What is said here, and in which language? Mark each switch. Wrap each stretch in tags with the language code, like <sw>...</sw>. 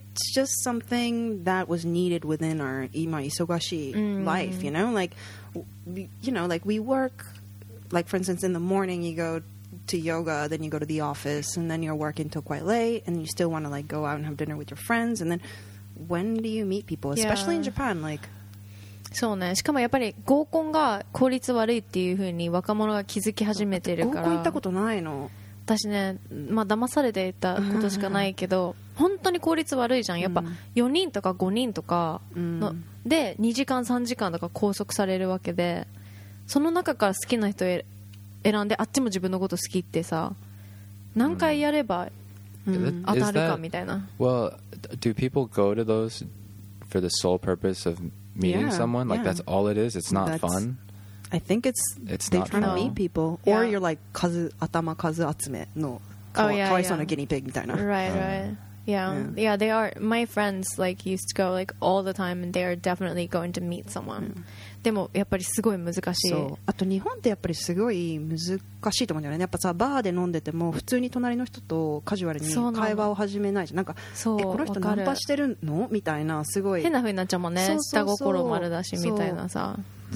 <en>it's just something that was needed within our 今忙しい life, you know? Like, you know, like we work... Like, for instance, in the morning, you go to yoga, then you go to the office, and then you're working till quite late, and you still want to, like, go out and have dinner with your friends. And then when do you meet people? Especially in Japan, like...</en> <ja>そうね。しかもやっぱり合コンが効率悪いっていう風に若者が気づき始めてるから。合コン行ったことないの。私ね、まあ、騙されていたことしかないけど、本当に効率悪いじゃん。やっぱ4人とか5人とかの、で、2時間、3時間とか拘束されるわけで。その中から好きな人選んであっちも自分のこと好きってさ何回やれば、うん、当たるかみたいな</ja> <en>Well, do people go to those for the sole purpose of meeting yeah, someone? Like yeah. that's all it is? It's not that's, fun? I think it's they're trying to meet people yeah. Or you're like 数頭数集めの oh, yeah, twice yeah. on a guinea pig みたいな Right, right yeah. yeah, they are My friends like used to go like all the time And they are definitely going to meet someone、yeah.</en> <ja>でもやっぱりすごい難しいそうあと日本ってやっぱりすごい難しいと思うんだよねやっぱさバーで飲んでても普通に隣の人とカジュアルに会話を始めないじゃんなんかそうえこの人ナンパしてるのみたいなすごい変な風になっちゃうもんねそうそうそう下心丸出しみたいなさ、う</ja>